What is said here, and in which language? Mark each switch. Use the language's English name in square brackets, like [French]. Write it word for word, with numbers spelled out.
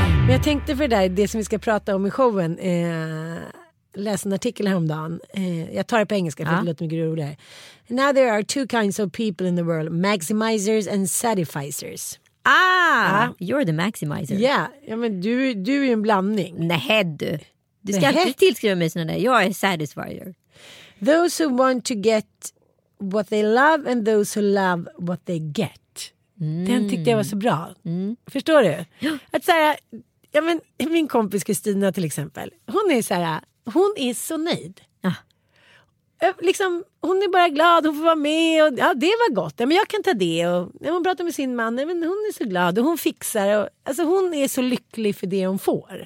[Swedish] Jag tänkte för det där, det som vi ska prata om i showen, eh, läste en artikel häromdagen. Eh, jag tar det på engelska för ja. det låter mycket roligare. [English] Now there are two kinds of people in the world, maximizers and satisficers. Ah, ja. You're the maximizer. Yeah. [Swedish] Ja, men du, du är ju en blandning. Nähä du. Du ska Nähe. Inte tillskriva mig sådana där, jag är satisfier. [English] Those who want to get what they love and those who love what they get. Mm. [Swedish] Den tyckte jag var så bra. Mm. Förstår du? Att såhär... Ja, men min kompis Kristina till exempel. Hon är så här, hon är så nöjd. Ja. Liksom, hon är bara glad, hon får vara med och ja, det var gott. Ja, men jag kan ta det och när hon pratar med sin man, ja, men hon är så glad och hon fixar och alltså hon är så lycklig för det hon får.